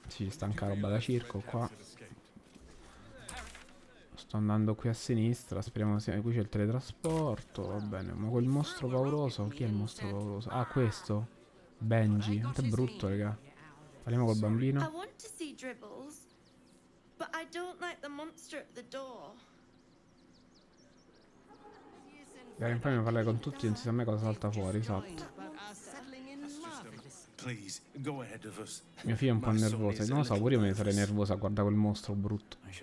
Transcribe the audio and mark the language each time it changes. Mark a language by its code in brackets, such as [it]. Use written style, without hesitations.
[it] Sì, ci sta anche roba da circo qua. Sto andando qui a sinistra, speriamo sia qui c'è il teletrasporto, va bene. Ma quel mostro pauroso, chi è il mostro pauroso? Ah, questo. Benji, è brutto, raga. Parliamo col bambino. [en] I want to see Dribbles, but I don't like the monster at the door. [it] Dai, infatti mi parlare con tutti, non si sa mai cosa salta fuori, esatto. [en] Please, go ahead of us. [it] Mio figlio è un po' nervoso, non lo so, pure io mi sarei nervosa a guardare quel mostro brutto.